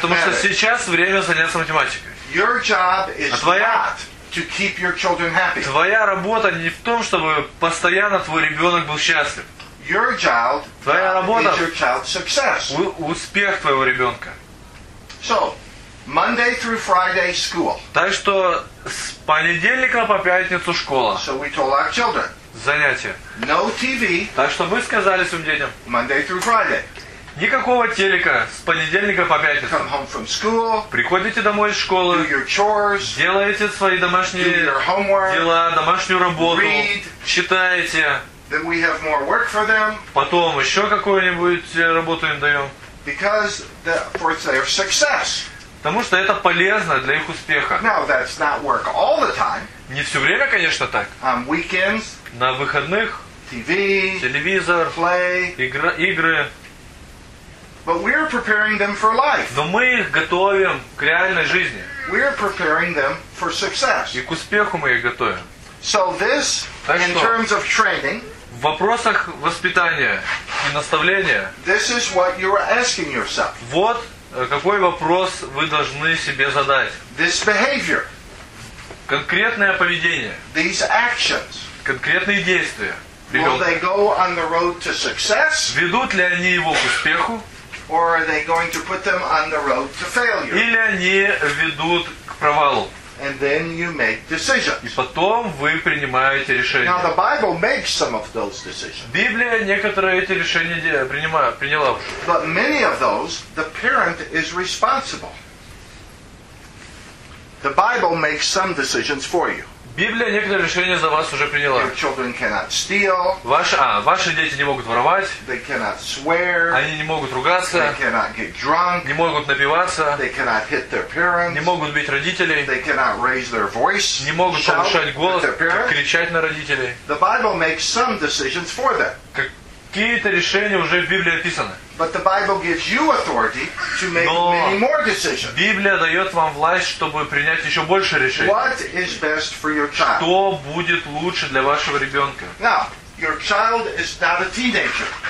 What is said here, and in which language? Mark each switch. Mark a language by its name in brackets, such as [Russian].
[Russian] Потому что сейчас время заняться математикой. [English] Your job is not to keep your children happy. [Russian] Твоя работа не в том, чтобы постоянно твой ребенок был счастлив. [English] Your child, [Russian] твоя работа [English] is your child's success. [Russian] Успех твоего ребенка. [English] So, Monday through Friday school. [Russian] Так что с понедельника по пятницу школа. [English] So we told our children. [Russian] Занятия. [English] No TV. [Russian] Так что мы сказали своим детям. [English] Monday through Friday. [Russian] Никакого телека с понедельника по пятницу. [English] Come home from school. [Russian] Приходите домой из школы. [English] Do your chores. [Russian] Делаете свои домашние [English] do your homework. [Russian] Дела, домашнюю работу. [English] Read. [Russian] Читаете. [English] Then we have more work for them. [Russian] Потом еще какую-нибудь работу им даем. [English] Because the, for their success. [Russian] Потому что это полезно для их успеха. [English] Now that's not work all the time. [Russian] Не все время, конечно, так. [English] On weekends. [Russian] На выходных. [English] TV. [Russian] Телевизор. [English] Play. [Russian] Игры. [English] But we're preparing them for life. [Russian] Но мы их готовим к реальной жизни. [English] We're preparing them for success. [Russian] И к успеху мы их готовим. [English] So this, [Russian] так что, [English] in terms of training. [Russian] В вопросах воспитания и наставления. [English] This is what you're asking yourself. [Russian] Вот какой вопрос вы должны себе задать. [English] This behavior. [Russian] Конкретное поведение. [English] These actions. [Russian] Конкретные действия. [English] Will they go on the road to success? [Russian] Ведут ли они его к успеху? [English] Or are they going to put them on the road to failure? [Russian] Или они ведут к провалу? [English] And then you make decisions. [Russian] И потом вы принимаете решение. [English] Now the Bible makes some of those decisions. [Russian] Библия некоторые эти решения приняла. [English] But many of those, the parent is responsible. The Bible makes some decisions for you. [Russian] Библия некоторые решения за вас уже приняла. [English] Your children cannot steal. [Russian] Ваши дети не могут воровать. [English] They cannot swear. [Russian] Они не могут ругаться. [English] They cannot get drunk. [Russian] Не могут напиваться. [English] They cannot hit their parents. [Russian] Не могут бить родителей. [English] They cannot raise their voice. [Russian] Не могут повышать голос, кричать на родителей. [English] The Bible makes some decisions for them. [Russian] Какие-то решения уже в Библии описаны. [English] But the Bible gives you authority to make many more decisions. [Russian] Библия дает вам власть, чтобы принять еще больше решений. [English] What is best for your child? [Russian] Что будет лучше для вашего ребенка? [English] Now, your child is not a teenager.